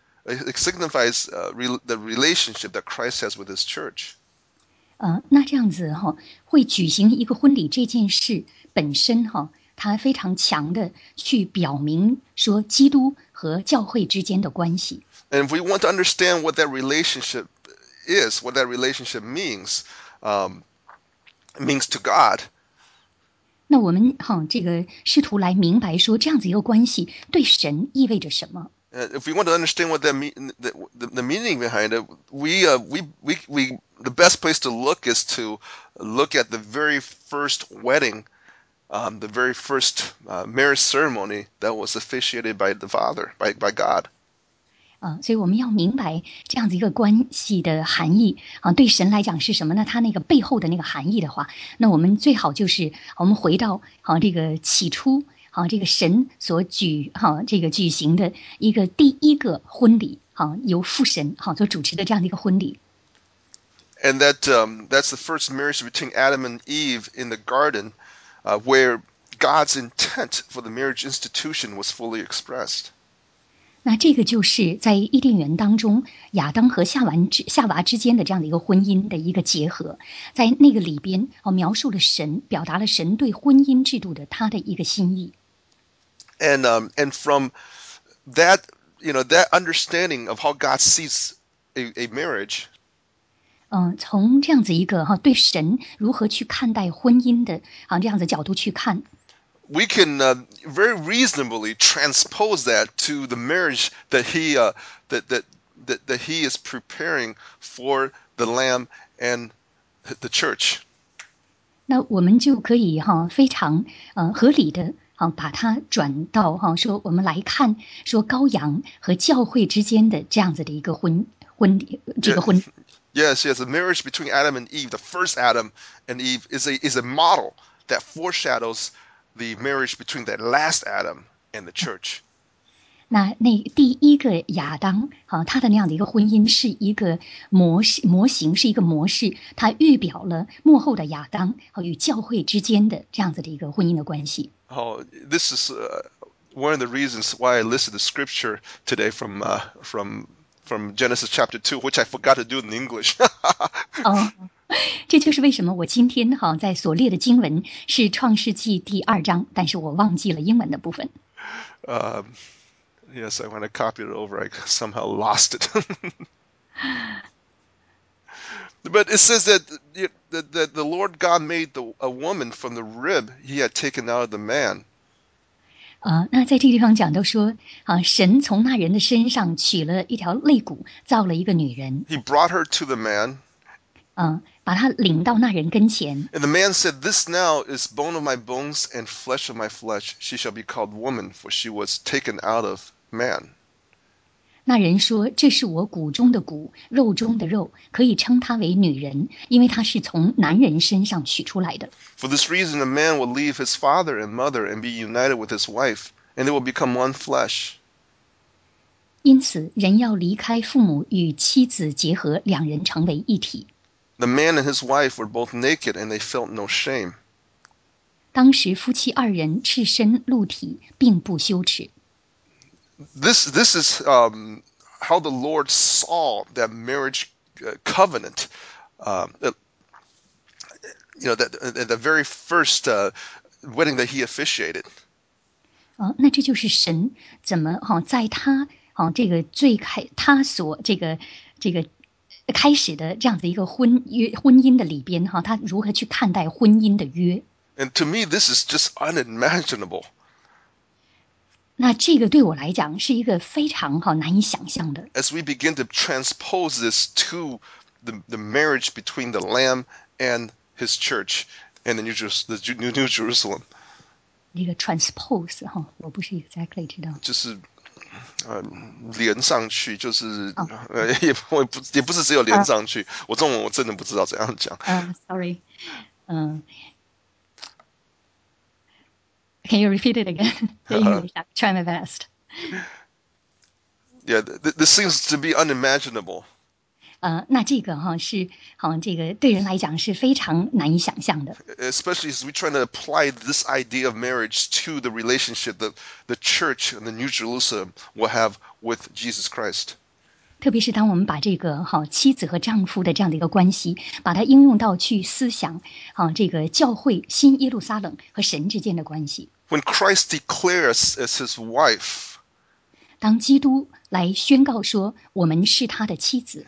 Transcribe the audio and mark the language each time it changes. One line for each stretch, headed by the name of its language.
English: It signifies the relationship that Christ has with His church.
Chinese: 那这样子会举行一个婚礼这件事本身它非常强的去表明说基督和教会之间的关系。
English: And if we want to understand what that relationship is, what that relationship means, means to God.
Chinese: 那我们这个试图来明白说这样子一个关系对神意味着什么。
English: If we want to understand what that the meaning behind it, we the best place to look is to look at the very first wedding, the very first marriage ceremony that was officiated by the Father, by God.
Chinese: 所以我们要明白这样子一个关系的含义对神来讲是什么呢？他那个背后的那个含义的话，那我们最好就是我们回到这个起初这个神所这个举行的一个第一个婚礼由父神所主持的这样的一个婚礼。
English: And that, that's the first marriage between Adam and Eve in the garden, where God's intent for the marriage institution was fully expressed.
Chinese: 那这个就是在伊甸园当中亚当和夏娃之间的这样的一个婚姻的一个结合，在那个里边描述了神，表达了神对婚姻制度的他的一个心意。
English: And from that, that understanding of how God sees a marriage.
Chinese: 从这样子一个对神如何去看待婚姻的这样子角度去看。
English: We can very reasonably transpose that to the marriage that he is preparing for the Lamb and the church.
Chinese: 那我们就可以非常合理的把它转到说我们来看说羔羊和教会之间的这样子的一个婚礼。
English: Yes, the marriage between Adam and Eve, the first Adam and Eve, is a model that foreshadows. The marriage between that last Adam and the church.
Chinese: 那第一个亚当他的那样的一个婚姻是一个模型，是一个模式，它预表了幕后的亚当与教会之间的这样子的一个婚姻的关系。
English: This is one of the reasons why I listed the scripture today from Genesis chapter 2, which I forgot to do in English.
Chinese: 这就是为什么我今天在所列的经文是创世纪第二章，但是我忘记了英文的部分。
English: Yes, I want to copy it over. I somehow lost it. But it says that the Lord God made a woman from the rib he had taken out of the man.
Chinese: 那在这个地方讲到说神从那人的身上取了一条肋骨造了一个女人。
English: He brought her to the man.
Chinese: 把他领到那人跟前。
English: And the man said, This now is bone of my bones and flesh of my flesh. She shall be called woman, for she was taken out of man.
Chinese: 那人说，这是我骨中的骨，肉中的肉，可以称她为女人，因为她是从男人身上取出来的。
English: For this reason, a man will leave his father and mother and be united with his wife, and they will become one flesh.
Chinese: 因此人要离开父母与妻子结合，两人成为一体。
English: The man and his wife were both naked and they felt no shame.
Chinese: 当时夫妻二人赤身露体，并不羞耻。
English: This is how the Lord saw that marriage covenant. The very first wedding that he officiated.
Chinese: 那这就是神怎么好在他好这个最开他所这个开始的这样子一个婚姻的里边哈，他如何去看待婚姻的约
English: ？And to me, this is just unimaginable.
Chinese: 那这个对我来讲是一个非常哈难以想象的。
English: As we begin to transpose this to the marriage between the Lamb and His Church and the New Jerusalem.
Chinese: 那个 transpose 哈，我不是
English: exactly
Chinese: 知道。就是。连上去就是、也不是只有连上去、我中文我真的不知道怎样讲、
English: Sorry、Can you repeat it again? Try my best. Yeah, this seems to be unimaginable、
Chinese: 那这个哈是好这个对人来讲是非常难以想象的
English: Especially as we're trying to apply this idea of marriage to the relationship that the church and the New Jerusalem will have with Jesus Christ.
Chinese: 特别是当我们把这个好妻子和丈夫的这样的一个关系，把它应用到去思想好这个教会新耶路撒冷和神之间的关系。
English: When Christ declares as his wife.
Chinese: 当基督来宣告说我们是他的妻子。